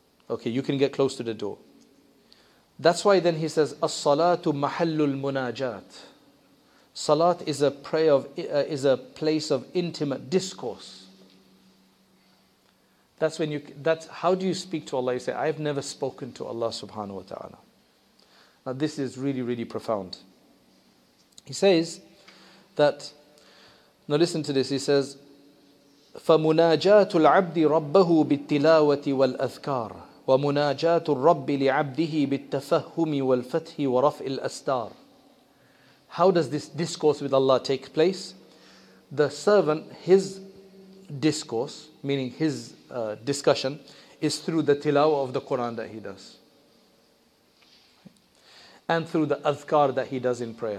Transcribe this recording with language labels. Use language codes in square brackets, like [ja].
[en] Okay, you can get close to the door. That's why then He says, [ar] As-salatu mahallul munajat. [en] Salat is a prayer of is a place of intimate discourse. That's how do you speak to Allah? You say, I've never spoken to Allah subhanahu wa ta'ala. Now this is really, really profound. He says that, now listen to this, he says, [ar] فَمُنَاجَاتُ الْعَبْدِ رَبَّهُ بِالتِّلَاوَةِ وَالْأَذْكَارِ وَمُنَاجَاتُ الرَّبِّ لِعَبْدِهِ بِالتَّفَهُّمِ وَالْفَتْحِ وَرَفْءِ الْأَسْتَارِ. [en] How does this discourse with Allah take place? The servant, his discourse, meaning his discussion, is through the tilawah of the Quran that he does. And through the adhkar that he does in prayer.